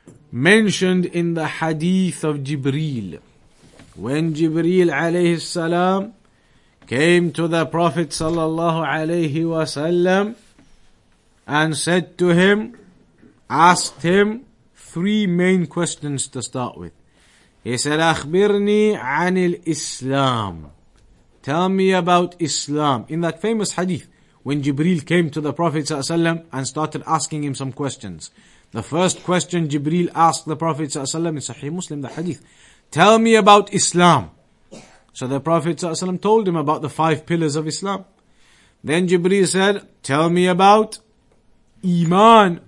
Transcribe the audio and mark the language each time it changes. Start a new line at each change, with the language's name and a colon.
English: Mentioned in the hadith of Jibreel. When Jibreel alayhi salam came to the Prophet sallallahu alayhi wa sallam and said to him, asked him three main questions to start with. He said,
Arabic: أخبرني عن الإسلام.
English: Tell me about Islam. In that famous hadith, when Jibreel came to the Prophet ﷺ and started asking him some questions. The first question Jibreel asked the Prophet ﷺ in Sahih Muslim, the hadith, tell me about Islam. So the Prophet ﷺ told him about the five pillars of Islam. Then Jibreel said, tell me about Iman.